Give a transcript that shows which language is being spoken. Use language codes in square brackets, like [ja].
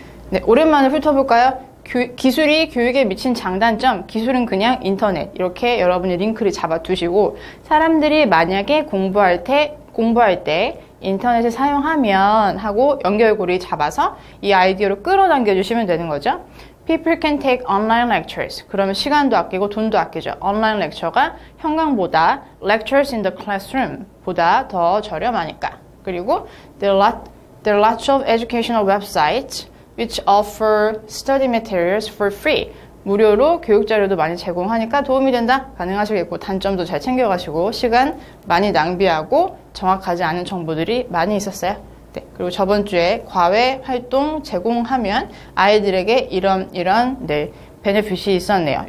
[ko] 네, 오랜만에 훑어볼까요? 기술이 교육에 미친 장단점, 기술은 그냥 인터넷. 이렇게 여러분이 링크를 잡아두시고, 사람들이 만약에 공부할 때 인터넷을 사용하면 하고 연결고리 잡아서 이 아이디어로 끌어당겨주시면 되는 거죠. [en] People can take online lectures. [ko] 그러면 시간도 아끼고 돈도 아끼죠. [en] Online lecture가 [ko] 형광보다 [en] lectures in the classroom [ko] 보다 더 저렴하니까. 그리고 [en] there are lots of educational websites which offer study materials for free. [ko] 무료로 교육 자료도 많이 제공하니까 도움이 된다. 가능하시겠고 단점도 잘 챙겨가시고 시간 많이 낭비하고 정확하지 않은 정보들이 많이 있었어요. 네. 그리고 저번 주에 과외 활동 제공하면 아이들에게 이런 이런 네 베네핏이 있었네요.